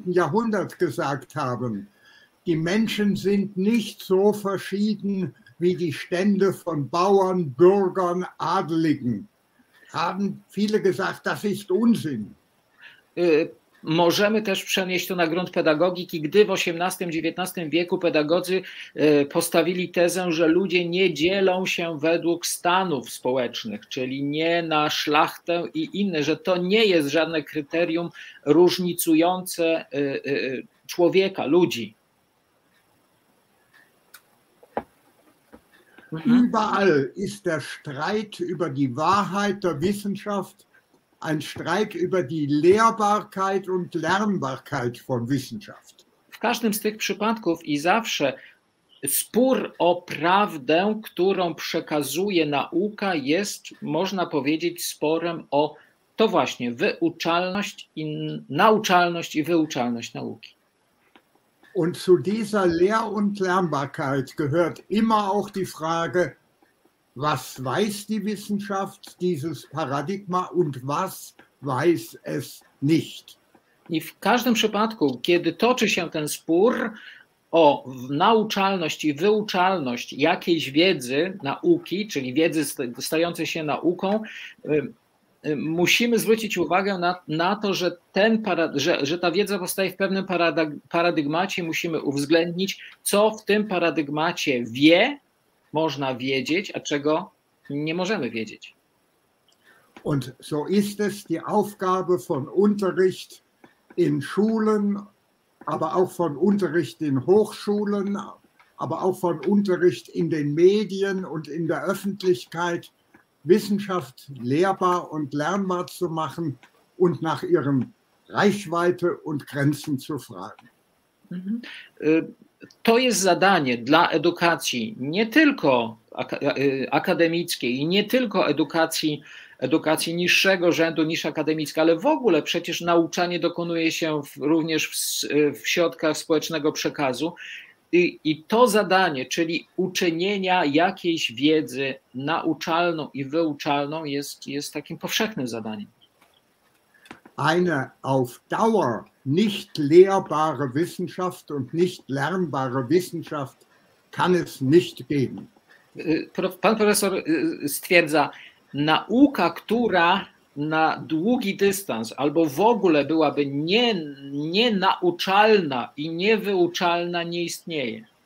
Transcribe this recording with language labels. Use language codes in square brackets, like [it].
[de] Jahrhundert gesagt haben, die Menschen sind nicht so verschieden wie die Stände von Bauern, Bürgern, Adligen, haben viele gesagt, das ist Unsinn. [pl] Możemy też przenieść to na grunt pedagogiki, gdy w XVIII-XIX wieku pedagodzy postawili tezę, że ludzie nie dzielą się według stanów społecznych, czyli nie na szlachtę i inne, że to nie jest żadne kryterium różnicujące człowieka, ludzi. [de] Überall ist der Streit über die Wahrheit der Wissenschaft ein Streit über die Lehrbarkeit und Lernbarkeit von Wissenschaft. [pl] W każdym z tych przypadków i zawsze spór o prawdę, którą przekazuje nauka, jest, można powiedzieć, sporem o to właśnie wyuczalność i nauczalność i wyuczalność nauki. [de] Und zu dieser Lehr- und Lernbarkeit gehört immer auch die Frage, was weiß die Wissenschaft, dieses Paradigma, und was weiß es nicht? [pl] I w każdym przypadku, kiedy toczy się ten spór o nauczalność i wyuczalność jakiejś wiedzy, nauki, czyli wiedzy stającej się nauką, musimy zwrócić uwagę na to, że, że ta wiedza powstaje w pewnym paradygmacie, musimy uwzględnić, co w tym paradygmacie wie, można wiedzieć, a czego nie możemy wiedzieć. [de] Und so ist es die Aufgabe von Unterricht in Schulen, aber auch von Unterricht in Hochschulen, aber auch von Unterricht in den Medien und in der Öffentlichkeit, Wissenschaft lehrbar und lernbar zu machen und nach ihren Reichweite und Grenzen zu fragen. [pl] To jest zadanie dla edukacji nie tylko akademickiej i nie tylko edukacji edukacji niższego rzędu niż akademicka, ale w ogóle przecież nauczanie dokonuje się również w środkach społecznego przekazu. I to zadanie, czyli uczynienia jakiejś wiedzy nauczalną i wyuczalną, jest takim powszechnym zadaniem. [de] Eine auf Dauer nicht lehrbare Wissenschaft und nicht lernbare Wissenschaft kann es nicht geben. [pl] Pan profesor stwierdza, nauka, która na długi dystans albo w ogóle byłaby nienauczalna i niewyuczalna, nie istnieje.